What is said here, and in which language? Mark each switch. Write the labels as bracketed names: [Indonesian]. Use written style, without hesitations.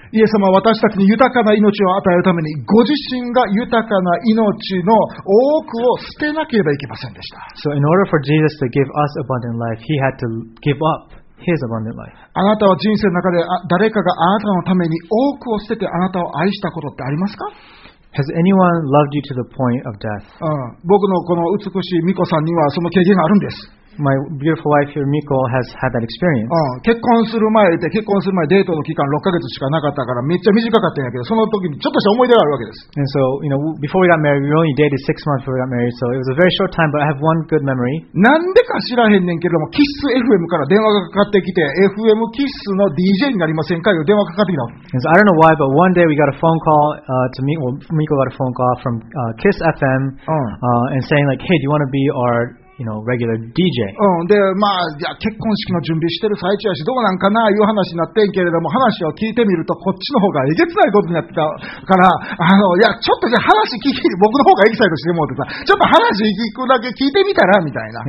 [Japanese] イエス様は私たちに豊かな命を与えるためにご自身が豊かな命の多くを捨てなければいけませんでした。 [English] So in order for Jesus to give us abundant life, he had to give upHis abundant life. [Japanese] あなたは人生の中で誰かがあなたのために多くを捨ててあなたを愛したことってありますか？ [English] Has anyone loved you to the point of death? [Japanese] 僕のこの美しい巫女さんにはその経験があるんです。 [English] My beautiful wife here, Miko, has had that experience. [Japanese] 結婚する前で、結婚する前デートの期間6ヶ月しかなかったからめっちゃ短かったんやけど、その時にちょっとした思い出があるわけです。 [English] And so, you know, before we got married, we only dated 6 months before we got married, so it was a very short time, but I have one good memory. [Japanese] なんでか知らへんねんけども、KISS FM から電話がかかってきて、FM KISS の DJ になりませんかよ、電話かかってきた。 [English] And so I don't know why, but one day we got a phone call, Miko got a phone call from KISS FM, and saying like, hey, do you want to be our... You know, regular DJ. [Japanese] で、まあ、いや、結婚式の準備してる最中やし、どうなんかな、いう話になってんけれども、話を聞いてみると、こっちの方がえげつないことになってたから、いや、ちょっとじゃ話聞き、僕の方がエキサイトしてもうてさ、ちょっと話聞くだけ聞いてみたら、みたいな。